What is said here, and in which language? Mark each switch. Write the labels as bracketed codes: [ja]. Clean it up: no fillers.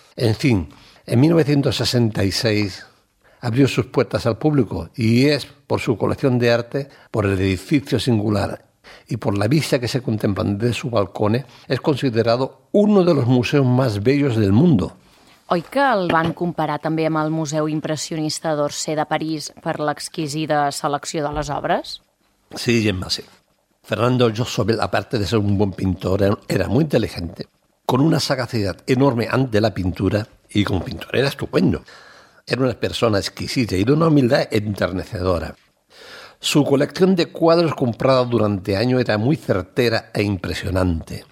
[es] En fin, en 1966 abrió sus puertas al público y es por su colección de arte, por el edificio singular y por la vista que se contemplan de sus balcones, es considerado uno de los museos más bellos del mundo. [ca] Oi que el van comparar també amb el Museu Impressionista d'Orsay de París per l'exquisida selecció de les obres? [es] Sí, Gemma, sí. Fernando Zobel, aparte de ser un buen pintor, era muy inteligente, con una sagacidad enorme ante la pintura y como pintor era estupendo. Era una persona exquisita y de una humildad enternecedora. Su colección de cuadros comprada durante años era muy certera e impresionante.